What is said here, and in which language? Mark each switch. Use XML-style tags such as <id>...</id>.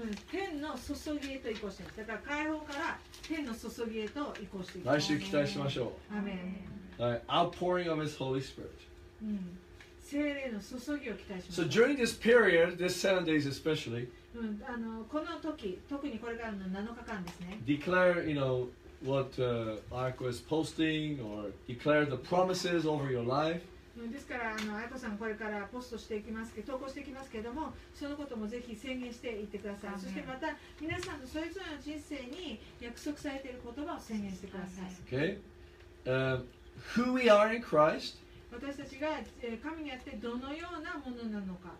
<ja>天の注ぎへと移行します。だから解放から天の注ぎへと移行していきます。来週期待しましょう。アメ</ja> <en>ン。All right, outpouring of His Holy Spirit.</en> <ja>聖霊の注ぎを期待します。</ja> <en>So during this period, this 7 days especially,</en> <ja>この時、特にこれからの7日間ですね。</ja> <en>Declare, you know, what Ayako is posting, or declare the promises over your life.</en> <ja>ですから、Ayako さんこれからポストしていきますけど、投稿していきますけれども、そのこともぜひ宣言していってください。そしてまた、皆さんのそれぞれの人生に約束されている言葉を宣言してください。</ja> <en>Okay. Who we are in Christ?</en> <ja>私たちが神にあってどのようなものなのか。</ja>